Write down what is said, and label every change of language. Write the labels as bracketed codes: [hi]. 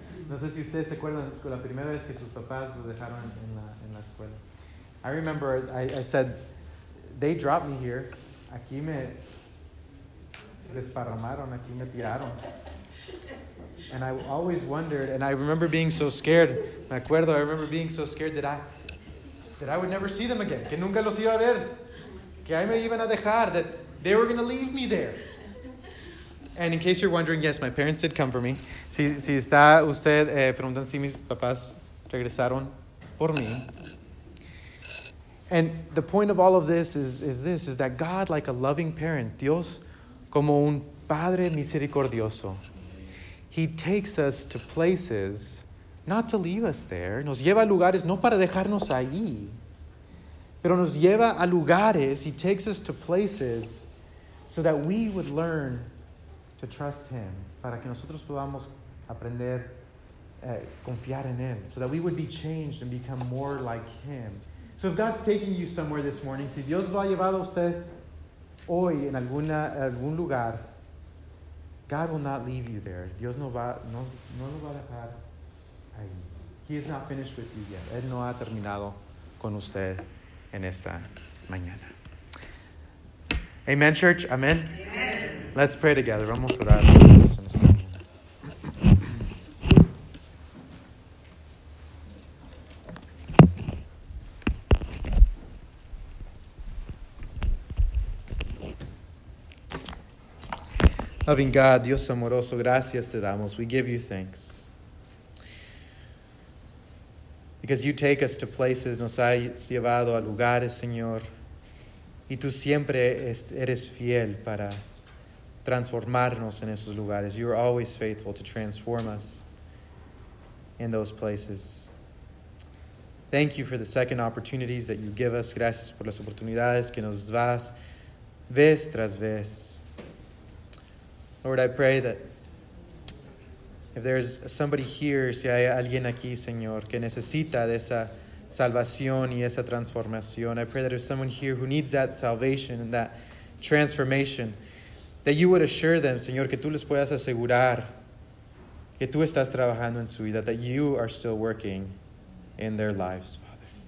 [es] No sé si ustedes se acuerdan la primera vez que sus papás los dejaron en la escuela. [en] I remember, I said, they dropped me here. [es] Aquí me desparramaron, aquí me tiraron. [en] And I always wondered, and I remember being so scared. [es] Me acuerdo, [en] I remember being so scared that I would never see them again. [es] Que nunca los iba a ver. Que ahí me iban a dejar. [en] That they were going to leave me there. And in case you're wondering, yes, my parents did come for me. [es] Si está usted preguntando si mis papás regresaron por mí. [en] And the point of all of this is that God, like a loving parent, [es] Dios como un padre misericordioso, [en] he takes us to places not to leave us there. [es] Nos lleva a lugares no para dejarnos allí, pero nos lleva a lugares. [en] He takes us to places so that we would learn to trust him, [es] para que nosotros podamos aprender confiar en él, [en] so that we would be changed and become more like him. So if God's taking you somewhere this morning, [es] si Dios lo ha llevado a usted hoy en algún lugar, [en] God will not leave you there. [es] Dios no va a dejar ahí. [en] He is not finished with you yet. [es] Él no ha terminado con usted en esta mañana. [en] Amen, church. Amen. Amen. Let's pray together. [es] Vamos a orar. [en] Loving God, [es] Dios amoroso, gracias te damos. [en] We give you thanks. Because you take us to places, [es] nos has llevado a lugares, Señor. Y tú siempre eres fiel para transformarnos en esos lugares. [en] You are always faithful to transform us in those places. Thank you for the second opportunities that you give us. [es] Gracias por las oportunidades que nos das vez tras vez. [en] Lord, I pray that if there's somebody here, [es] si hay alguien aquí, Señor, que necesita de esa salvación y esa transformación, [en] I pray that if someone here who needs that salvation and that transformation, that you would assure them, [es] Señor, que tú les puedas asegurar que tú estás trabajando en su vida, [en] that you are still working in their lives, Father.